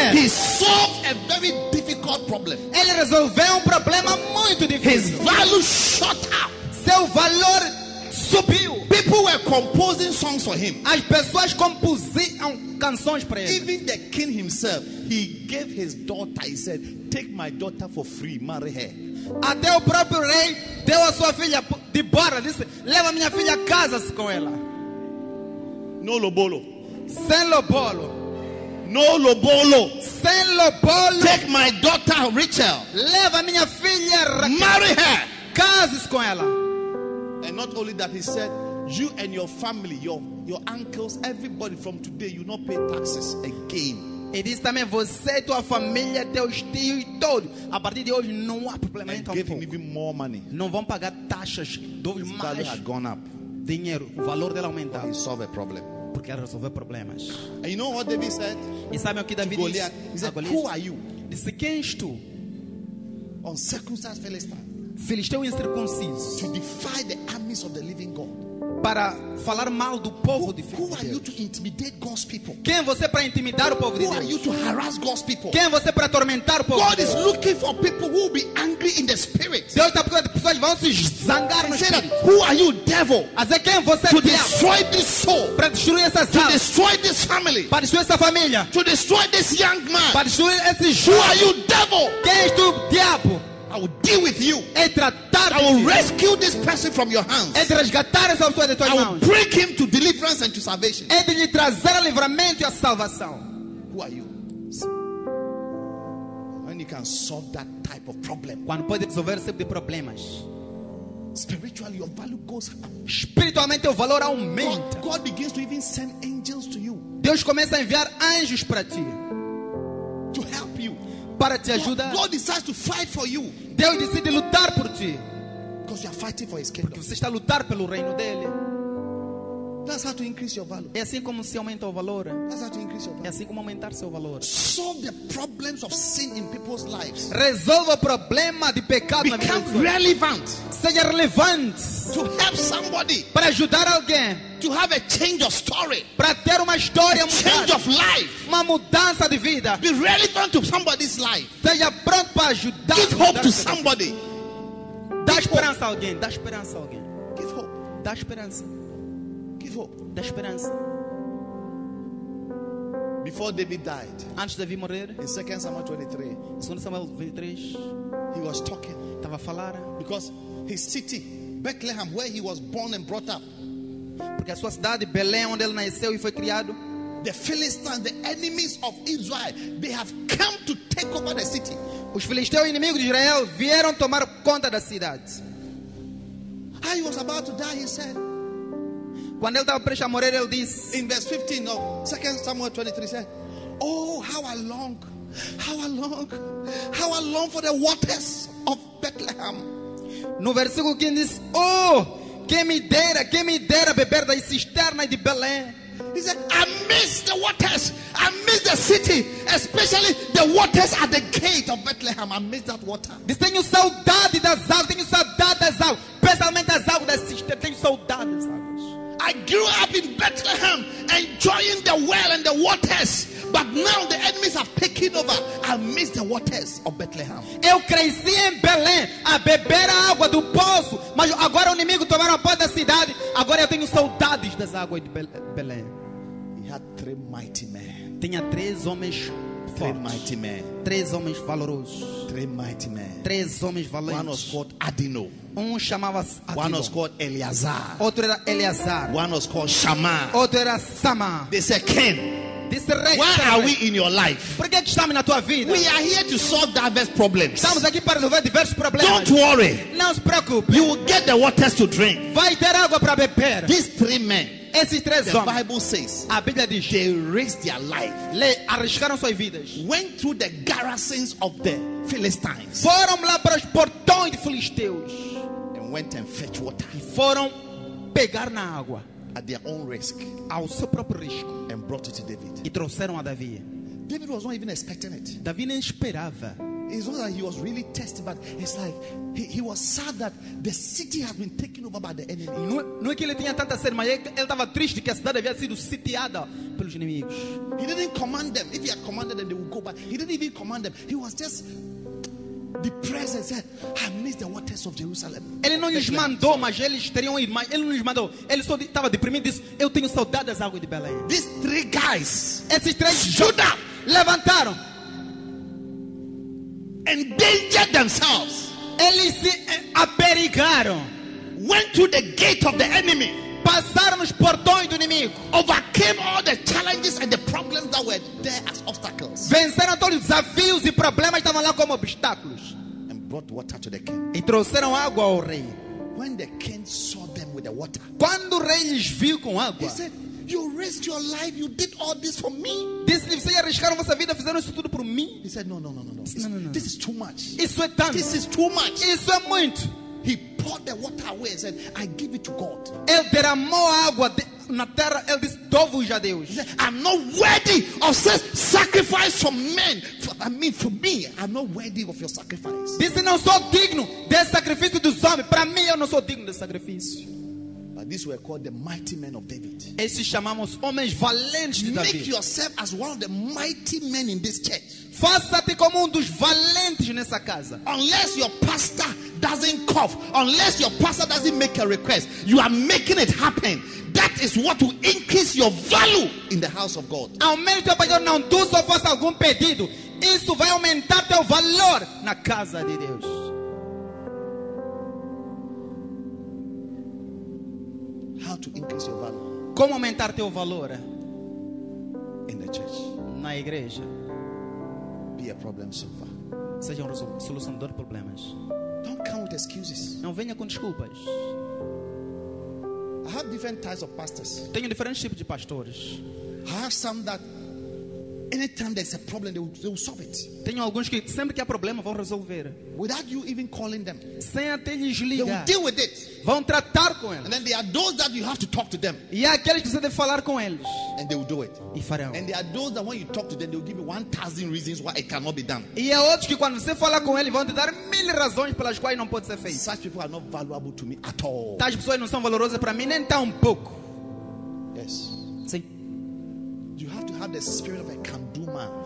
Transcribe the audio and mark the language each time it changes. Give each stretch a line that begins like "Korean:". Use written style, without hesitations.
English: he solved a very difficult problem.
Portuguese: Ele resolveu problema muito difícil.
English: His value shot up.
Portuguese: Seu valor subiu.
English: People were composing songs for him.
Portuguese: As pessoas compuseram canções para ele.
English: Even the king himself, he gave his daughter. He said, "Take my daughter for free, marry her."
Portuguese: Até o próprio rei deu a sua filha de bora, disse, leva minha filha a casa com ela.
English: No lobolo.
Portuguese: Sem lobolo.
English: No lobolo.
Portuguese: Sem lobolo.
English: Take my daughter Rachel.
Portuguese: Leva minha filha Raquel.
English: Marry her.
Portuguese: Cases com ela.
English: And not only that, he said, you and your family, your uncles, everybody from today, you not pay taxes again.
Portuguese: E diz também, você, tua família, teus tios e todos, a partir de hoje não há problema.
English: And gave him even more money.
Portuguese: Não vão pagar taxas, dois mais.
English: Value had gone up.
Portuguese: Dinheiro, o valor dela aumentou.
English: But he solved a problem.
Portuguese: Porque ela resolveu problemas.
English: And you know what David said?
Portuguese: E sabe o que David disse?
English: He said, Goliath, who are you?
Portuguese: Disse, quem és tu?
English: Uncircumcised Philistine.
Portuguese: Filisteu incircunciso.
English: To defy the armies of the living God.
Portuguese: Para falar mal do povo de Deus.
English: Who are you to intimidate God's people?
Portuguese: Quem você para intimidar o povo de Deus?
English: Who are you to harass God's people?
Portuguese: Quem você para atormentar o povo de Deus?
English: God is looking for people who will be angry in the spirit.
Portuguese: Deus está procurando pessoas que vão se zangar no espírito.
English: Who are you, devil?
Portuguese: Dizer, quem você
English: to destroy this soul?
Portuguese: Para destruir essa alma.
English: To destroy this family?
Portuguese: Para destruir essa família.
English: To destroy this young man?
Portuguese: Para destruir esse jovem.
English: Who are you, devil?
Portuguese: Quem és tu, diabo?
English: I will deal with you.
Portuguese: E tratar
English: I will rescue this person from your hands.
Portuguese: E resgatar essa pessoa de tuas mãos.
English: I will bring him to deliverance and to salvation.
Portuguese: E de lhe trazer livramento e a salvação.
English: Who are you? When you can solve that type of problem.
Portuguese: Quando pode resolver esse tipo de problemas.
English: Spiritually, your value goes up.
Portuguese: Espiritualmente, o valor aumenta.
English: God begins to even send angels to you.
Portuguese: Deus começa a enviar anjos para ti.
English: To help you.
Portuguese: Para te ajudar.
English: God decides to fight for you.
Portuguese: Deus decide lutar por ti.
English: Because you are fighting for his kingdom.
Portuguese: Porque você está a lutar pelo reino dele.
English: That's how to increase your value.
Portuguese: É assim como se aumenta o valor.
English: That's how to increase your value.
Portuguese: É assim como aumentar seu valor.
English: Solve the problems of sin in people's lives.
Portuguese: Resolva o problema de pecado
English: Become
Portuguese: na vida.
English: Become relevant.
Portuguese: Seja relevante.
English: To help somebody.
Portuguese: Para ajudar alguém.
English: To have a change of story.
Portuguese: Para ter uma história,
English: a change of life.
Portuguese: Uma mudança de vida.
English: Be relevant to somebody's life.
Portuguese: Seja pronto para ajudar.
English: Give hope to somebody.
Portuguese: Dá esperança a alguém. Dá esperança a alguém.
English: Give hope.
Portuguese: Dá esperança.
English: Give hope.
Portuguese: Dá esperança.
English: Before David died.
Portuguese: Antes de David morrer.
English: In 2 Samuel 23.
Portuguese: 2 Samuel 23.
English: He was talking.
Portuguese: Estava a falar.
English: Because his city, Bethlehem, where he was born and brought up.
Portuguese: Porque a sua cidade Belém, onde ele nasceu e foi criado.
English: The Philistines, the enemies of Israel, they have come to take over the city.
Portuguese: Os filisteus, inimigos de Israel, vieram tomar conta da cidade.
English: I was about to die, he said.
Portuguese: Quando ele estava prestes a morrer, ele disse.
English: In verse 15 of 2 Samuel 23, said, "Oh, how I long, how I long, how I long for the waters of Bethlehem."
Portuguese: No versículo 15 diz, "Oh, quem me dera beber da cisterna de Belém."
English: He said, "I miss the waters. I miss the city, especially the waters at the gate of Bethlehem. I miss that water."
Portuguese: Diz, tenho saudade das águas, tenho saudade das águas, especialmente das águas da cisterna. Tenho saudade das águas.
English: "I grew up in Bethlehem, enjoying the well and the waters, but now the enemies have taken over. I miss the waters of Bethlehem."
Portuguese: Eu cresci em Belém a beber a água do poço, mas agora o inimigo tomaram a parte da cidade. Agora eu tenho saudades das águas de Belém.
English: He had three mighty men.
Portuguese: Tinha três homens fortes.
English: Three mighty men.
Portuguese: Três homens valorosos.
English: Three mighty men.
Portuguese: Três homens valentes.
English: One was called Adino.
Portuguese: Um chamava-se
English: Adino. One was called Eleazar.
Portuguese: Outro era Eleazar.
English: One was called Shammah.
Portuguese: Outro era Sama.
English: They said, "Ken, why are we in your life?
Portuguese: Por que estamos na tua vida?
English: We are here to solve diverse problems.
Portuguese: Estamos aqui para resolver diversos problemas.
English: Don't worry.
Portuguese: Não se preocupe.
English: You will get the waters to drink."
Portuguese: Vai ter água para beber.
English: These three men.
Portuguese: Esses três homens.
English: The Bible says.
Portuguese: A Bíblia diz.
English: They risked their life.
Portuguese: Arriscaram suas vidas.
English: Went through the garrisons of the Philistines.
Portuguese: Foram lá para os portões de Filisteus.
English: And went and fetched water.
Portuguese: E foram pegar na água.
English: At their own risk,
Portuguese: ao seu próprio risco,
English: and brought it to David.
Portuguese: E trouxeram a Davi.
English: David was not even expecting it.
Portuguese: Davi nem esperava.
English: It's not that he was really tested, but it's like he was sad that the city had been taken over by the enemy.
Portuguese: Não é que ele tinha tanta sede, mas ele estava triste que a cidade havia sido sitiada pelos inimigos.
English: He didn't command them. If he had commanded them, they would go. But he didn't even command them. He was just be present. Said, I miss the waters of Jerusalem.
Portuguese: Ele não lhes mandou, mas eles teriam ido. Mas ele não lhes mandou. Ele só estava deprimido. Disse, eu tenho saudade das águas de Belém.
English: These three guys,
Portuguese: esses três,
English: stood up,
Portuguese: levantaram,
English: endangered themselves.
Portuguese: Eles se aperigaram.
English: Went to the gate of the enemy.
Portuguese: Passaram os portões do inimigo.
English: Overcame all the challenges and the problems that were there as obstacles.
Portuguese: Venceram todos os desafios e problemas que estavam lá como obstáculos.
English: And brought water to the king.
Portuguese: E trouxeram água ao rei.
English: When the king saw them with the water,
Portuguese: quando o rei lhes viu com água,
English: he said, "You risked your life. You did all this for me."
Portuguese: Disse-lhe, vocês arriscaram vossa vida, fizeram isso tudo por mim.
English: He said, "No. This is too much.
Portuguese: Isso é tanto.
English: This is too much.
Portuguese: Isso é muito."
English: He poured the water away and said, "I give it to God."
Portuguese: Ele derramou água na terra. Ele disse, dou-vos a Deus.
English: He said, "I'm not worthy of this sacrifice from men. For me, I'm not worthy of your sacrifice."
Portuguese: Disse, não sou digno desse sacrifício dos homens. Para mim, eu não sou digno desse sacrifício.
English: But these were called the mighty men of David.
Portuguese: Esses chamamos homens valentes de Davi.
English: Make yourself as one of the mighty men in this church.
Portuguese: Faça-te como dos valentes nessa casa.
English: Unless your pastor doesn't cough, unless your pastor doesn't make a request, you are making it happen. That is what will increase your value in the house of God.
Portuguese: Aumente o pastor, não tu só faça algum pedido. Isso vai aumentar teu valor na casa de Deus.
English: How to increase your value?
Portuguese: Como aumentar teu valor?
English: In the church.
Portuguese: Na igreja.
English: Be a problem solver.
Portuguese: Seja um solucionador de problemas.
English: Don't come with excuses.
Portuguese: Não venha com desculpas.
English: I have different types of pastors.
Portuguese: Tenho diferentes tipos de pastores.
English: I have some that anytime there's a problem, they will solve it.
Portuguese: Tenho alguns que sempre que há problema vão resolver.
English: Without you even calling them.
Portuguese: Sem até lhes ligar.
English: They will deal with it.
Portuguese: Vão tratar com eles.
English: And then there are those that you have to talk to them.
Portuguese: E há aqueles que você deve falar com eles.
English: And they will do it.
Portuguese: E farão.
English: And there are those that when you talk to them, they will give you 1,000 reasons why it cannot be done.
Portuguese: E há outros que quando você falar com eles, vão te dar 1,000 razões pelas quais não pode ser feito.
English: Such people are not valuable to me at all.
Portuguese: Tais pessoas não são valorosas para mim nem tão pouco.
English: Yes.
Portuguese: Sim.
English: You have to have the spirit of a can-do man.